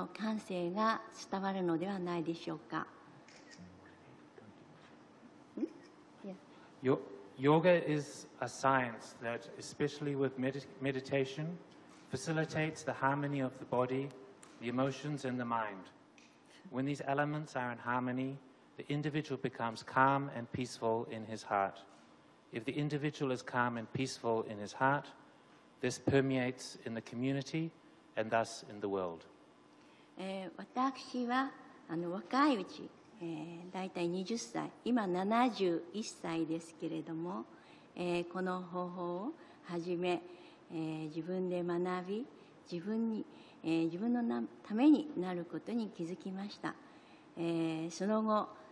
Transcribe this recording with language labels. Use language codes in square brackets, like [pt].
[ja] 瞑想とヨガを行いますと肉体それから感情精神がハーモナイズされます本人が落ち着いてなお心の中が平和になっているならば世界中の社会にこの感性が伝わるのではないでしょうか [en] Yoga is a science that, especially with meditation, facilitates the harmony of the body, the emotions, and the mind. When these elements are in harmony, the individual becomes calm and peaceful in his heart. If the individual is calm and peaceful in his heart, this permeates in the community and thus in the world. [ja] 私は若いうち だいたい20歳、今70歳ですけれども、この方法を始め、自分で学び、自分のためになることに気づきました。その後、